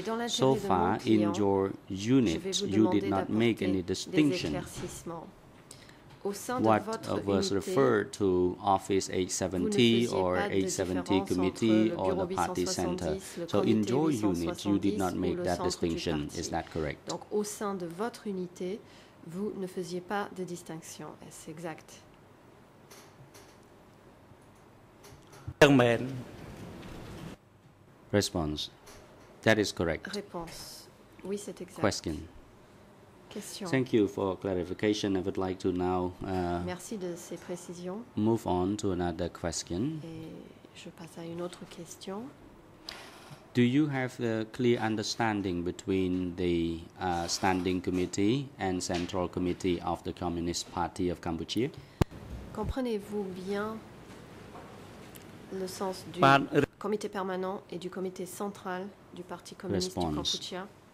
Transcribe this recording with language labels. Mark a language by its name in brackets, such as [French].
[English] So far, in your unit, you did not make any distinction what was referred to Office 870 or 870 committee or the party center. So in your unit, you did not make that distinction. Is that correct? [French] Donc au sein de votre unité, vous ne faisiez pas de distinction. Est-ce exact? [English] Response. That is correct. [French] Réponse. Oui, c'est exact. [English] Question. [French] Question. [English] Thank you for clarification. I would like to now [French] merci de ces précisions. [English] Move on to another question. [French] Et je passe à une autre question. [English] Do you have a clear understanding between the Standing Committee and Central Committee of the Communist Party of Cambodia? [French] Comprenez-vous bien le sens du comité permanent et du comité central du Parti communiste du Cambodia?